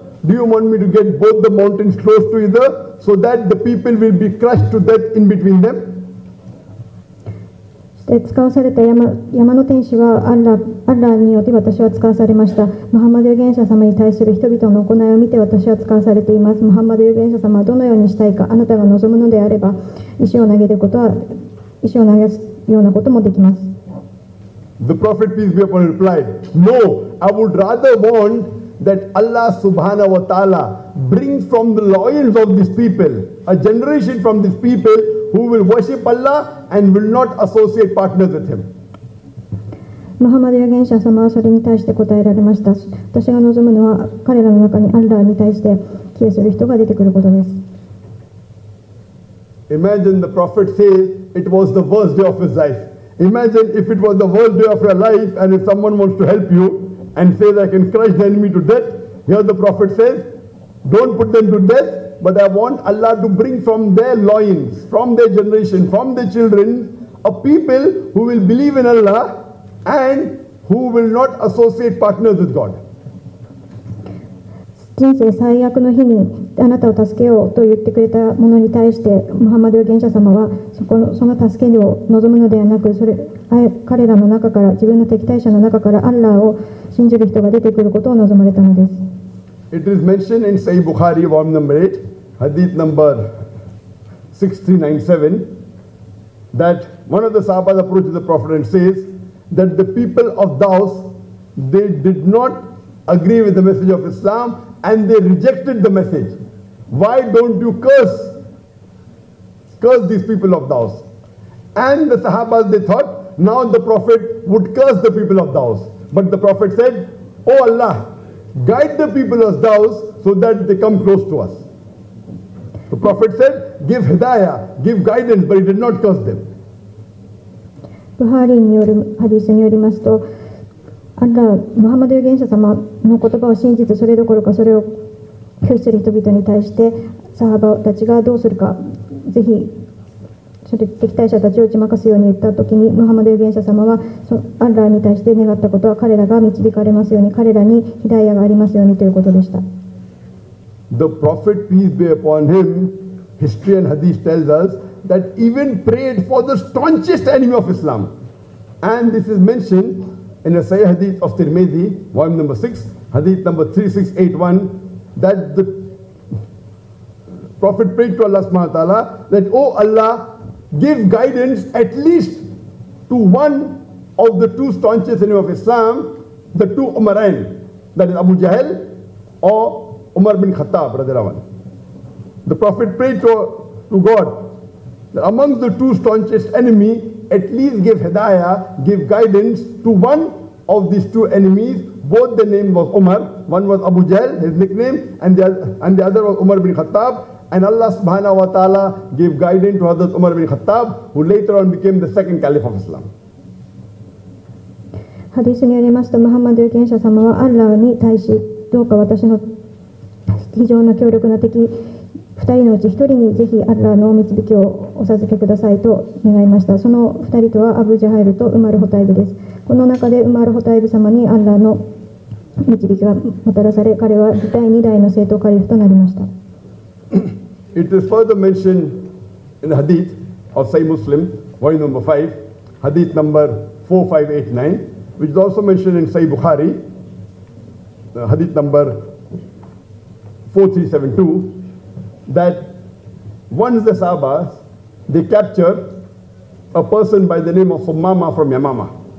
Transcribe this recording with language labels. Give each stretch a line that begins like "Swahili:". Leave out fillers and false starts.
English: Do you want me to get both the mountains close to either? So that the people will be crushed to death in between them.
Japanese: そして使わされた山の天使はアッラーによって私は使わされました。ムハンマド預言者様に対する人々の行いを見て私は使わされています。ムハンマド預言者様はどのようにしたいか、あなたが望むのであれば石を投げすようなこともできます。
English: The Prophet peace be upon him replied, No, I would rather want that Allah subhanahu wa ta'ala. Bring from the loyals of this people, a generation from this people who will worship Allah and will not associate partners with him.
Japanese: ムハンマド預言者様はそれに対して答えられました。私が望むのは彼らの中にアッラーに対して帰する人が出てくることです。
English: Imagine the prophet says it was the worst day of his life. Imagine if it was the worst day of your life and if someone wants to help you and says I can crush the enemy to death. Here the prophet says, don't put them to death, but I want Allah to bring from their loins, from their generation, from their children, a people who will believe in Allah and who will not associate partners with God.
Japanese: 人生最悪の日にあなたを助けようと言ってくれたものに対してムハンマド預言者様はその助けを望むのではなく、それ彼らの中から自分の敵対者の中からアッラーを信じる人が出てくることを望まれたのです。
English: It is mentioned in Sahih Bukhari volume number 8 hadith number 6397 that one of the sahabas approaches the prophet and says that the people of Daus they did not agree with the message of Islam and they rejected the message. Why don't you curse these people of Daus? And the Sahaba, they thought, now the Prophet would curse the people of Daus. But the Prophet said, O Allah, guide the people of Daus so that they come close to us. The Prophet said, give hidayah, give guidance, but he did not curse them.
Japanese: Bukhari による hadith によりますと、アッラー、ムハンマド預言者様の言葉を信じて、それどころかそれを拒否する人々に対して、サハバたちがどうするか、ぜひ、それ敵対者たちを打ち負かすように言ったときに、ムハンマド預言者様は、アッラーに対して願ったことは、彼らが導かれますように、彼らにヒダイヤがありますようにということでした。
English: The Prophet, peace be upon him, history and hadith tells us that even prayed for the staunchest enemy of Islam. And this is mentioned. In a Sahih Hadith of Tirmidhi, volume number 6, Hadith number 3681, that the Prophet prayed to Allah subhanahu wa ta'ala, that, O Allah, give guidance at least to one of the two staunchest enemies of Islam, the two Umarain, that is Abu Jahl or Umar bin Khattab, radiallahu anhu. The Prophet prayed to God, that amongst the two staunchest enemies,At least give hidayah, give guidance to one of these two enemies. Both the name was Umar. One was Abu Jahl, his nickname, and the other was Umar bin Khattab. And Allah subhanahu wa ta'ala gave guidance to Hazrat Umar bin Khattab, who later on became the second caliph of Islam.
Japanese: Hadith によりますと、ムハンマド預言者様はアッラーに対し、どうか私の非常な強力な敵、2人のうち1人にぜひアッラーの導きをお授けくださいと願いました。その2人とはアブ・ジャハイルとウマル・ホタイブです。この中でウマル・ホタイブ様にアッラーの導きがもたらされ、彼は第2代の正統カリフとなりました。
English: It is further mentioned in the Hadith of Sahih Muslim, volume number 5, Hadith number 4589, which is also mentioned in Sahih Bukhari, Hadith number 4372,That once the Sahabas, they capture a person by the name of Sumama from Yamama.